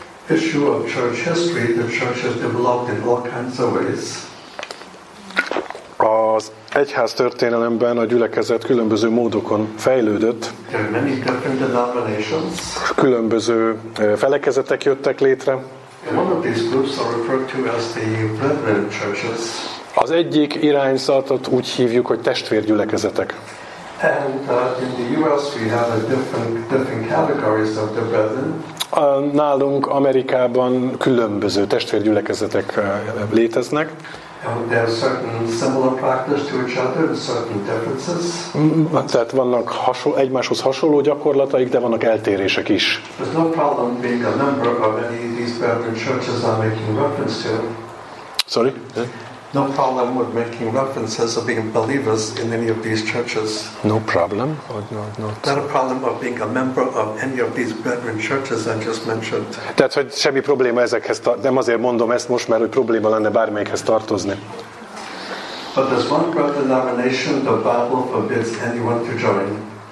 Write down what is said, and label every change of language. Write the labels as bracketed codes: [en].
[en] Issue of church history, the church has developed in all kinds of ways. [hu] Az egyház történelemben a gyülekezet különböző módokon fejlődött. [en] There are many different denominations. [hu] Különböző felekezetek jöttek létre. [en] One of these groups are referred to as the brethren churches. [hu] Az egyik irányzatot úgy hívjuk, hogy testvérgyülekezetek. [en] And in the US we have a different categories of the brethren. [hu] Nálunk Amerikában különböző testvérgyülekezetek léteznek. [en] There are certain similar practices to each other, certain differences. [hu] Tehát vannak egymáshoz hasonló gyakorlataik, de vannak eltérések is. [en] There's no problem being a member of any of these brethren churches I'm making reference to. Sorry? No problem with making references of being believers in any of these churches. No problem. Not a problem of being a member of any of these brethren churches I just mentioned. [hu] Tehát, hogy semmi probléma ezekhez, nem azért mondom ezt most, mert hogy probléma lenne bármelyikhez tartozni. [en] But there's one brother denomination the Bible forbids anyone to join.